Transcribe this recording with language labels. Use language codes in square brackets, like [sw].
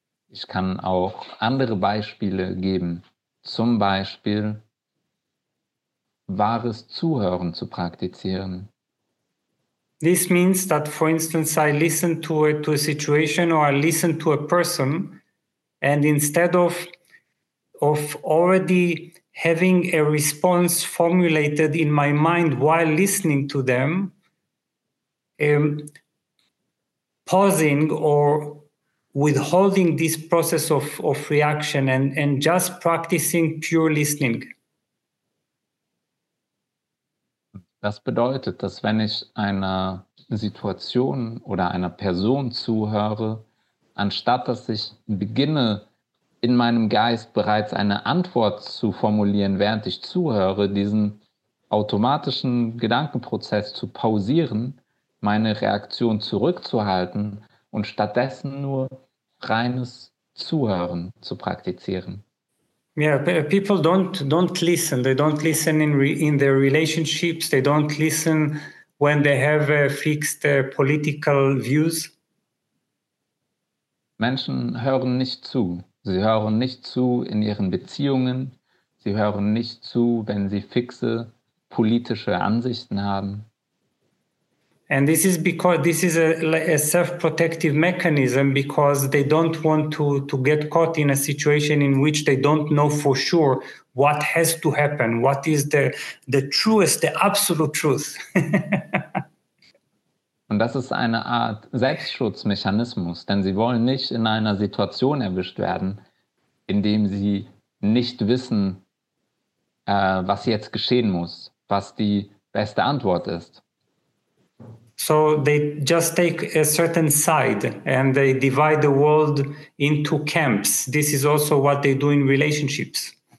[de] Ich kann auch andere Beispiele geben, zum Beispiel wahres Zuhören zu praktizieren. [en] This means that, for instance, I listen to a situation or I listen to a person, and instead of already having a response formulated in my mind while listening to them, pausing or withholding this process of reaction and just practicing pure listening. [de] Das bedeutet, dass wenn ich einer Situation oder einer Person zuhöre, anstatt dass ich beginne, in meinem Geist bereits eine Antwort zu formulieren, während ich zuhöre, diesen automatischen Gedankenprozess zu pausieren, meine Reaktion zurückzuhalten und stattdessen nur reines Zuhören zu praktizieren. [en] Yeah, people don't listen. They don't listen in their relationships. They don't listen when they have fixed political views. [de] Menschen hören nicht zu. Sie hören nicht zu in ihren Beziehungen. Sie hören nicht zu, wenn sie fixe politische Ansichten haben. [en] And this is because this is a self-protective mechanism because they don't want to get caught in a situation in which they don't know for sure what has to happen, what is the truest, the absolute truth. [de] Und das ist eine Art Selbstschutzmechanismus, denn sie wollen nicht in einer Situation erwischt werden, in dem sie nicht wissen, was jetzt geschehen muss, was die beste Antwort ist. [en] So they just take a certain side and they divide the world into camps. This is also what they do in relationships.